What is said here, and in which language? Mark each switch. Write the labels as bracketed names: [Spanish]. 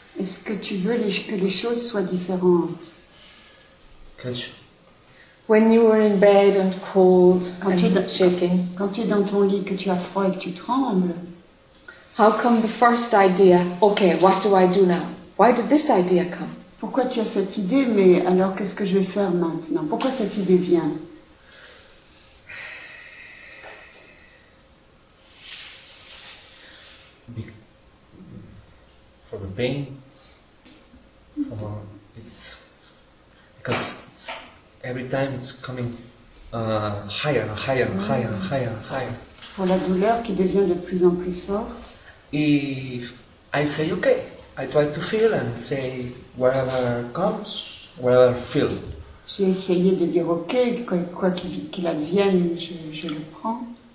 [French] Est-ce que tu veux que les choses soient différentes? [English] When you were in bed and cold, shaking. [French] Quand tu es dans ton lit, que tu as froid et que tu trembles. [English] How come the first idea? Okay, what do I do now? Why did this idea come? [French] Pourquoi tu as cette idée? Mais alors, qu'est-ce que je vais faire maintenant? Pourquoi cette idée vient? [English] For the pain, it's because it's, every time it's coming higher. [French] Pour la douleur qui devient de plus en plus forte. [English] If I say okay, I try to feel and say whatever comes, whatever feel. [French] J'ai essayé de dire okay, quoi qu'il advienne, je le prends.